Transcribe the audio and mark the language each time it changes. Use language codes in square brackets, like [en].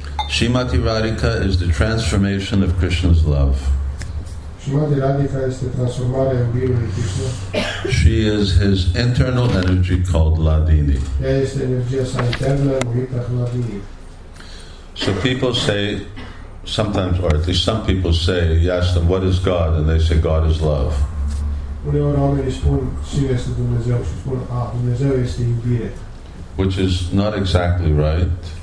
[en] Srimati Radhika is the transformation of Krishna's love. [ro] Srimati Radhika este transformarea iubirii lui Krishna. [en] She is his internal energy called Ladini. [ro] Ea este energia sa internă numită Ladini. [en] So people say, sometimes, or at least some people say, you ask them, what is God? And they say, God is love. [ro] Uneori oamenii spun, cine este Dumnezeu? Și spun, ah, Dumnezeu este iubire. [en] Which is not exactly right.